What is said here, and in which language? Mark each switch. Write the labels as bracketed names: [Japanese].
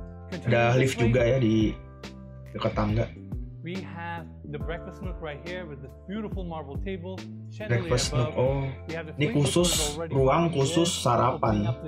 [Indonesian] ada lift juga ya di dekat tangga. [English] We have the breakfast nook right here with this beautiful marble table. Breakfast nook, oh. [Indonesian] Ini khusus ruang khusus sarapan.